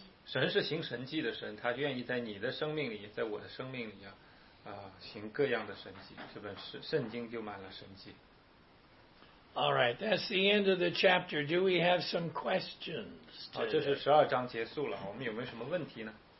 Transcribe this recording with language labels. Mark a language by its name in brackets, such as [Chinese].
[Chinese] 神是行神迹的神，他愿意在你的生命里，在我的生命里行各样的神迹。这本圣经就满了神迹。 [English] All right, that's the end of the chapter. Do we have some questions? [Chinese] 好，这是十二章结束了，我们有没有什么问题呢？